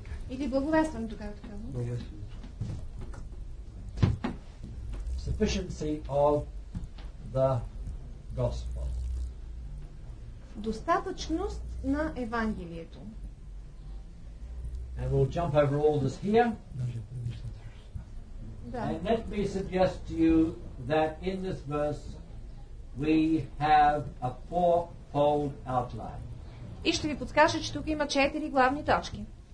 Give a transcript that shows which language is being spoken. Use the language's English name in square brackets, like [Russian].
[Bulgarian] Или благовестването, както казвам. [English] Sufficiency of the gospel. [Bulgarian] Достатъчност на Евангелието. [English] And we'll jump over all this here. [Bulgarian] Да. [English] And let me suggest to you that in this verse we have a four-fold outline. [Bulgarian] И ще ви подскажа, че тук има четири главни точки.